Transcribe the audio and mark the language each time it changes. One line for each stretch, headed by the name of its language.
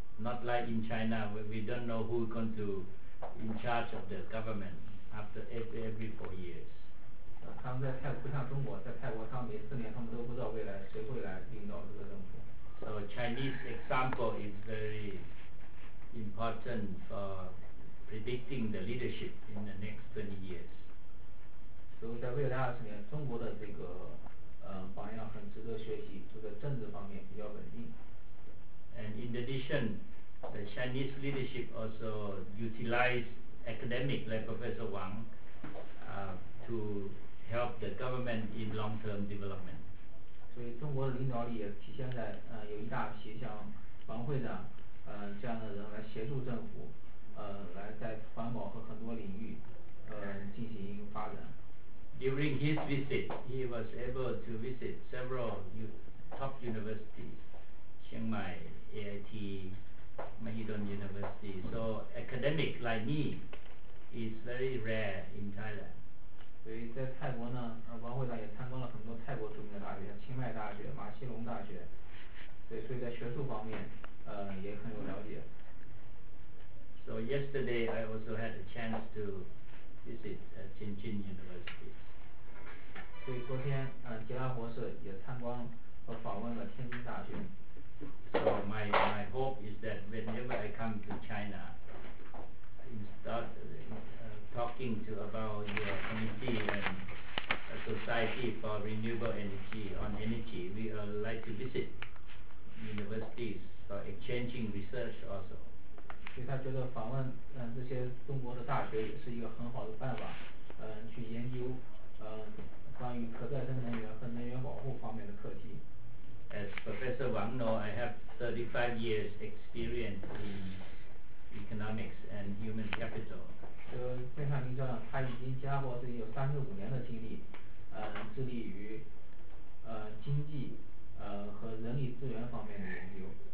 English: Not like in China, we don't know who is going to be in charge of the government after every 4 years.
Chinese: 他们在泰国不像中国，在泰国他们每4年他们都不知道未来谁会来领导这个政府。
English: So Chinese example is very important for predicting the leadership in the next 20 years.
Chinese: 所以在未来20年，中国的这个榜样很值得学习，就在政治方面比较稳定。
English: And in addition, the Chinese leadership also utilized academic, like Professor Wang, to help the government in long-term development.
Chinese: 所以中国的领导力也体现在有一大批像王会长这样的人来协助政府，来在环保和很多领域进行发展。
English: During his visit, he was able to visit several top universities, Chiang Mai. AIT, Mahidol University. So academic like me is very rare in Thailand.
Chinese: 所以在泰国呢，王会长也参观了很多泰国著名的大学，清迈大学、马西龙大学。对，所以在学术方面，也很有了解。
English: So yesterday I also had a chance to visit Tianjin University.
Chinese: 所以昨天，吉拉博士也参观和访问了天津大学。
English: So my hope is that whenever I come to China, I start talking to about your committee and a society for renewable energy on energy. We would like to visit universities for exchanging research also.
Chinese: 所以他觉得访问这些中国的大学也是一个很好的办法，去研究关于可再生能源和能源保护方面的课题。
English: As Professor Wang know, I have 35 years experience in economics and human capital.
Chinese: 就像您这样，他已经加过自己有35年的经历，致力于经济和人力资源方面的研究。